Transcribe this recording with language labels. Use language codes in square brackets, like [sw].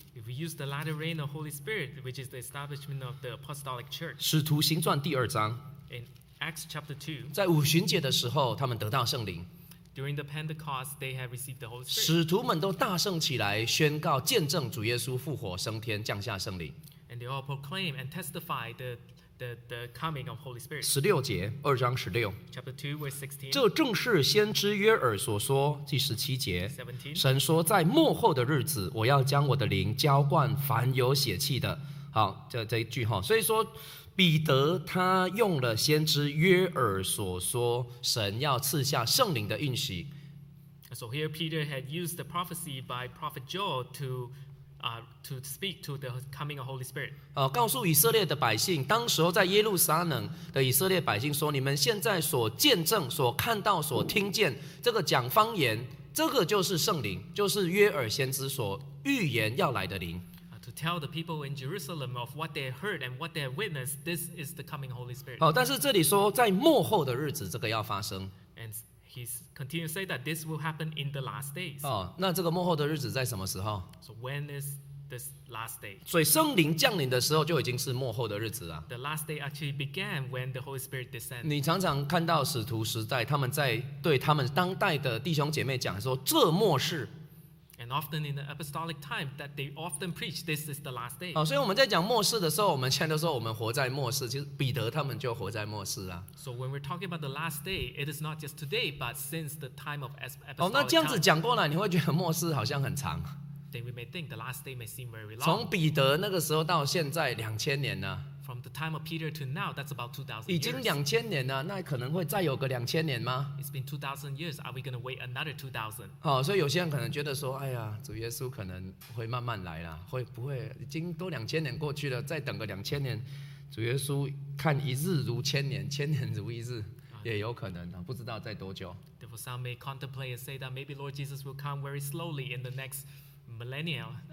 [en] If we use the latter reign of Holy Spirit, which is the establishment of the apostolic church. [zh] 使徒行传第二章。 [en] In Acts chapter 2. [zh] 在五旬节的时候，他们得到圣灵。 [en] During the Pentecost, they have received the Holy Spirit. [zh] 使徒们都大声起来，宣告见证主耶稣复活升天，降下圣灵。 [en] And they all proclaim and testify the coming of Holy Spirit. [zh] 16节，二章十六。 [en] Chapter 2, verse 16. [zh] 这正是先知约珥所说，第十七节。 [en] 17. [zh] 神说，在末后的日子，我要将我的灵浇灌凡有血气的。好，这一句哈。所以说，彼得他用了先知约珥所说，神要赐下圣灵的应许。 [en] So here Peter had used the prophecy by Prophet Joel to speak to the coming of Holy Spirit. [zh] 告诉以色列的百姓，当时候在耶路撒冷的以色列百姓说，你们现在所见证、所看到、所听见，这个讲方言，这个就是圣灵，就是约珥先知所预言要来的灵。 [en] To tell the people in Jerusalem of what they heard and what they witnessed, this is the coming Holy Spirit. [zh] 但是这里说，在末后的日子，这个要发生。 [en] And he's continuing to say that this will happen in the last days. [zh] 那这个末后的日子在什么时候？ [en] So when is this last day? [zh] 所以圣灵降临的时候就已经是末后的日子了。 [en] The last day actually began when the Holy Spirit descended. [zh] 你常常看到使徒时代，他们在对他们当代的弟兄姐妹讲说，这末世。 [en] And often in the apostolic time that they often preach, this is the last day. [zh] 所以我们在讲末世的时候，我们前头说我们活在末世，其实彼得他们就活在末世啊。 [en] So when we're talking about the last day, it is not just today, but since the time of apostolic time. [zh] 那这样子讲过来，你会觉得末世好像很长。 [en] Then we may think the last day may seem very long. [zh] 从彼得那个时候到现在2000年了。 [en] From the time of Peter to now, that's about 2,000 years. [zh] 已经2000年了，那可能会再有个2000年吗？ [en] It's been 2,000 years. Are we going to wait another 2,000? [zh] 所以有些人可能觉得说，哎呀，主耶稣可能会慢慢来了，会不会已经都2000年过去了，再等个2000年，主耶稣看一日如千年，千年如一日，也有可能，不知道在多久。 [en] Therefore, some may contemplate and say that maybe Lord Jesus will come very slowly in the next millennial.